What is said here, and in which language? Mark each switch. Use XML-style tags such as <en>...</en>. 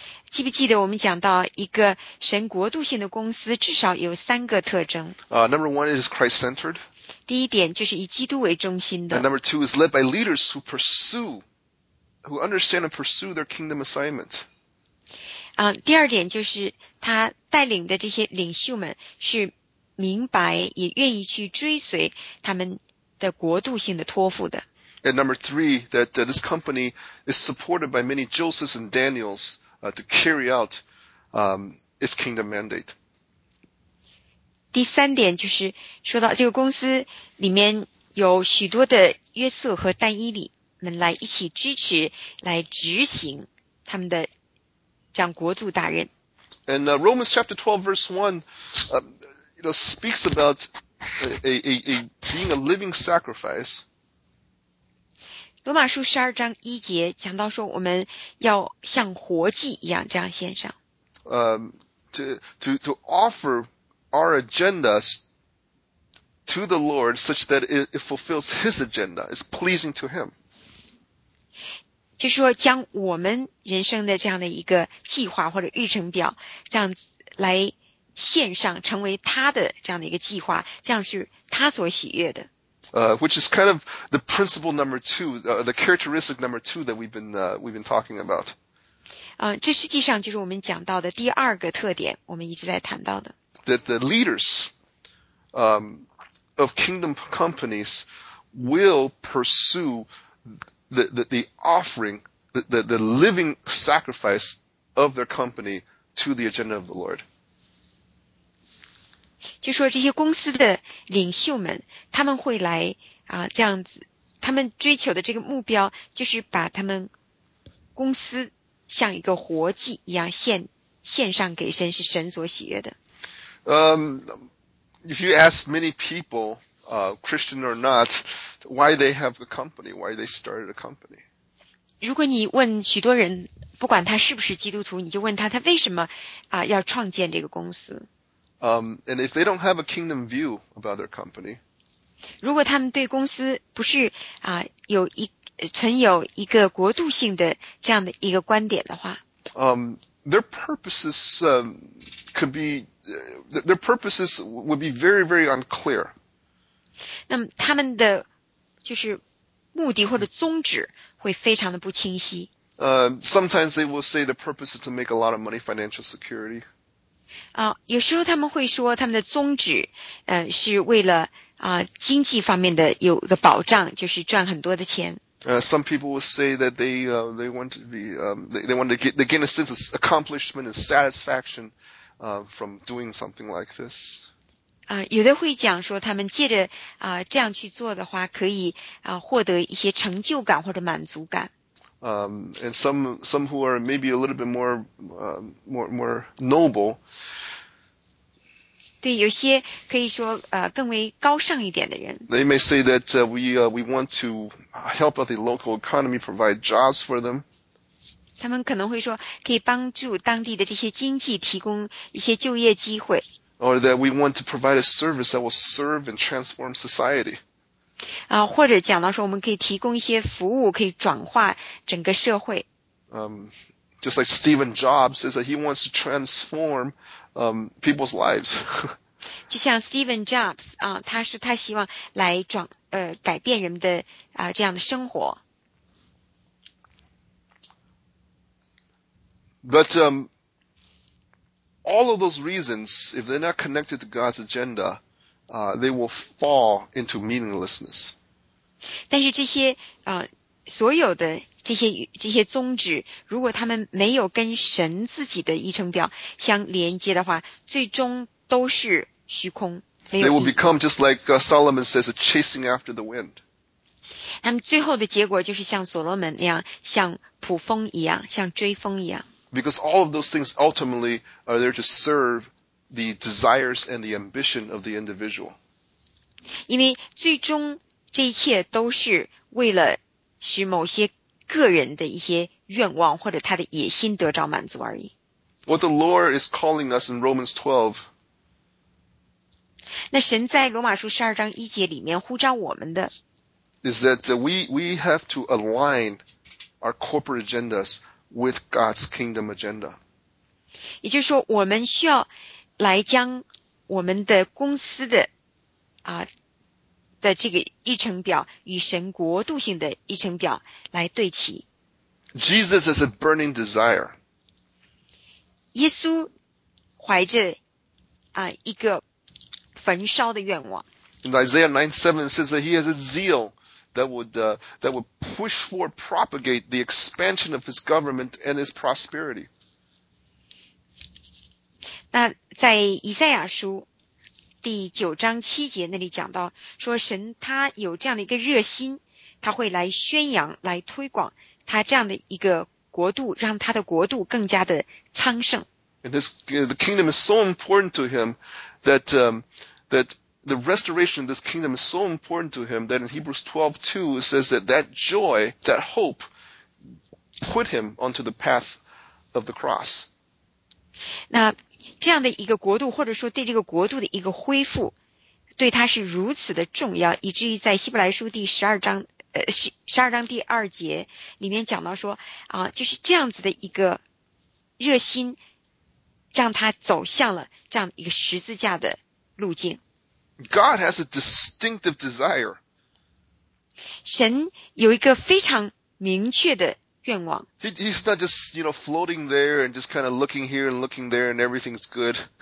<zh>记不记得我们讲到一个神国度性的公司至少有三个特征？</zh> <en>Number one, it is Christ-centered.</en> <zh>第一点就是以基督为中心的。</zh> <en>And number two is led by leaders who understand and pursue their kingdom assignment.</en> <zh>第二点就是他带领的这些领袖们是明白也愿意去追随他们的国度性的托付的。</zh> <en>And number three, that this company is supported by many Josephs and Daniels to carry out its kingdom mandate.</en> <zh>第三点就是说到这个公司里面有许多的约瑟和但以理们来一起支持来执行他们的这样国度大任。</zh> <en>And Romans chapter 12 verse 1, speaks about a being a living sacrifice.</en> <zh>罗马书十二章一节讲到说，我们要像活祭一样这样献上。</zh> <en>To offer our agendas to the Lord such that it fulfills His agenda, is pleasing to Him.</en> <zh>就是说，将我们人生的这样的一个计划或者日程表，这样来献上，成为他的这样的一个计划，这样是他所喜悦的。</zh> <en>Which is kind of the principle number two, the characteristic number two that we've been talking about.</en> <zh>这实际上就是我们讲到的第二个特点，我们一直在谈到的。</zh> <en>That the leaders, of kingdom companies will pursue the offering the living sacrifice of their company to the agenda of the Lord.</en> <zh>就说这些公司的领袖们，他们会来啊这样子，他们追求的这个目标就是把他们公司像一个活祭一样献上给神，是神所喜悦的。</zh> <en>If you ask many people, Christian or not, why they have a company, why they started a company.</en> <zh>如果你问许多人，不管他是不是基督徒，你就问他，他为什么啊要创建这个公司？</zh> <en>And if they don't have a kingdom view about their company,</en> <zh>如果他们对公司不是啊有一存有一个国度性的这样的一个观点的话</zh> <en>their purposes could be their purposes would be very very unclear.</en> <zh>那么他们的就是目的或者宗旨会非常的不清晰。</zh> <en>Sometimes they will say the purpose is to make a lot of money, financial security.</en> <zh>有时候他们会说他们的宗旨是为了经济方面的有一个保障，就是赚很多的钱。</zh> <en>Some people will say that they want to gain a sense of accomplishment and satisfaction from doing something like this.</en> <zh>有的会讲说他们借着这样去做的话可以获得一些成就感或者满足感。</zh> <en>And some who are maybe a little bit more, more noble.</en> <zh>对，有些可以说更为高尚一点的人。</zh> <en>They may say that we want to help out the local economy, provide jobs for them.</en> <zh>他们可能会说可以帮助当地的这些经济，提供一些就业机会。</zh> <en>Or that we want to provide a service that will serve and transform society.</en> <zh>或者讲到说我们可以提供一些服务，可以转化整个社会。</zh> <en>Just like Steve Jobs says that he wants to transform people's lives.</en> <zh>就像 Steve Jobs, 他是他希望来转改变人们的这样的生活。</zh> <en>But all of those reasons, if they're not connected to God's agenda,they will fall into meaninglessness.</en> <zh>但是这些所有的这些宗旨，如果他们没有跟神自己的议程表相连接的话，最终都是虚空。</zh> <en>They will become just like Solomon says, chasing after the wind.</en> <zh>他们最后的结果就是像所罗门那样，像捕风一样，像追风一样。</zh> <en>Because all of those things ultimately are there to serve. The desires and the ambition of the individual.</en> <zh>因为最终这一切都是为了使某些个人的一些愿望或者他的野心得着满足而已。</zh> <en>What the Lord is calling us in Romans 12.</en> <zh>那神在罗马书十二章一节里面呼召我们的</zh> <en>is that we have to align our corporate agendas with God's kingdom agenda.</en> <zh>也就是说我们需要来将我们的公司的的这个议程表与神国度性的议程表来对齐。</zh> <en>Jesus is a burning desire.</en> <zh>耶稣怀着一个焚烧的愿望。</zh> <en>In Isaiah 9:7 says that he has a zeal that would push for propagate the expansion of his government and his prosperity.</en> <zh>那在以赛亚书第九章七节那里讲到说神他有这样的一个热心，他会来宣扬来推广他这样的一个国度，让他的国度更加的昌盛。</zh> <en>And this, the kingdom is so important to him that, that the restoration of this kingdom is so important to him that in Hebrews 12:2 it says that that joy, that hope put him onto the path of the cross.</en> <zh>那这样的一个国度或者说对这个国度的一个恢复对他是如此的重要，以至于在希伯来书第十二章第二节里面讲到说就是这样子的一个热心让他走向了这样一个十字架的路径。</zh> <en>God has a distinctive desire.</en> <zh>神有一个非常明确的愿望。</zh> <en>He's not just, you know, floating there and just kind of looking here and looking there and everything's good.</en>